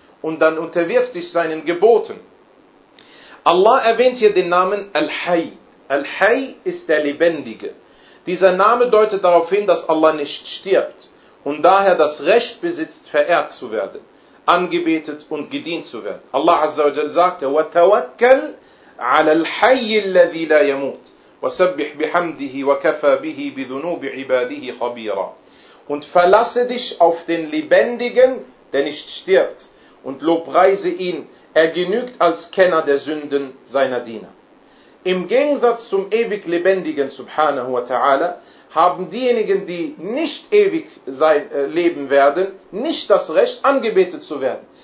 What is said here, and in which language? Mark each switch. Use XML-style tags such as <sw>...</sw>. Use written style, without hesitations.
<de>Und dann unterwirf dich seinen Geboten. Allah erwähnt hier den Namen Al-Hayy. Al-Hayy ist der Lebendige. Dieser Name deutet darauf hin, dass Allah nicht stirbt und daher das Recht besitzt, verehrt zu werden, angebetet und gedient zu werden. Allah Azza wa Jalla sagte,</de> <ar>وَتَوَكَّلْ عَلَى الْحَيِّ الَّذِي لَا يَمُوتِ وَسَبِّحْ بِحَمْدِهِ وَكَفَى بِهِ بِذُنُوبِ عِبَادِهِ خَبِيرًا.</ar> <de>Und verlasse dich auf den Lebendigen, der nicht stirbt, und lobpreise ihn, er genügt als Kenner der Sünden seiner Diener. Im Gegensatz zum ewig Lebendigen, Subhanahu wa Ta'ala, haben diejenigen, die nicht ewig leben werden, nicht das Recht, angebetet zu werden.</de>